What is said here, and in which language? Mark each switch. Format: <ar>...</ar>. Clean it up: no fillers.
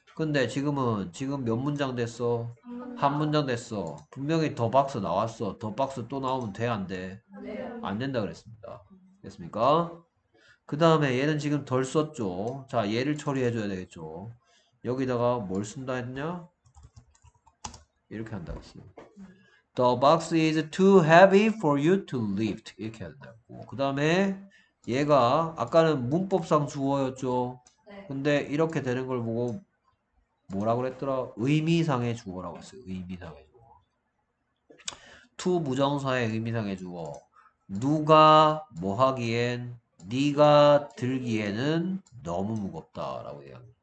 <ko>근데 지금은 지금 몇 문장 됐어? 한 문장 됐어. 분명히 더 박스 나왔어. 더 박스 또 나오면 돼 안 돼? 네. 안 된다 그랬습니다. 됐습니까? 그 다음에 얘는 지금 덜 썼죠. 자, 얘를 처리해 줘야 되겠죠. 여기다가 뭘 쓴다 했냐? 이렇게 한다고 했어요.</ko> <en>The box is too heavy for you to lift.</en> <ko>이렇게 해야 된다고. 그 다음에 얘가 아까는 문법상 주어였죠. 네. 근데 이렇게 되는 걸 보고 뭐라고 그랬더라? 의미상의 주어라고 했어요. 의미상의 주어. To 부정사의 의미상의 주어. 누가 뭐 하기엔 네가 들기에는 너무 무겁다 라고 해요.</ko>